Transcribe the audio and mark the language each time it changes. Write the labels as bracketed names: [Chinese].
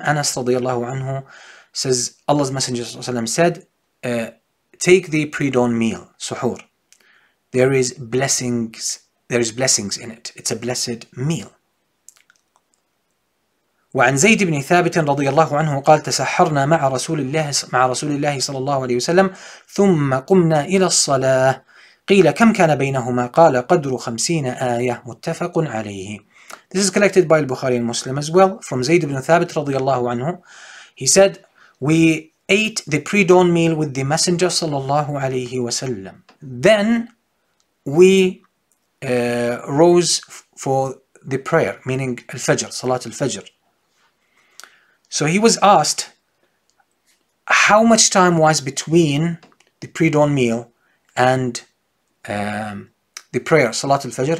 [English] أنس رضي الله عنه says Allah's Messenger صلى الله عليه وسلم said take the pre-dawn meal سحور. There is blessings in it. It's a blessed meal. [Arabic] وعن زيد بن ثابت رضي الله عنه قال تسحرنا مع رسول الله صلى الله عليه وسلم ثم قمنا إلى الصلاة قيل كم كان بينهما قال قدر 50 آية متفق عليه. [English] This is collected by البخاري المسلم as well from زيد بن ثابت رضي الله عنه. He said we ate the pre-dawn meal with the Messenger صلى الله عليه وسلم, then we rose for the prayer, meaning al-fajr, salat al-fajr. So he was asked, how much time was between the pre-dawn meal and the prayer, Salat al-Fajr?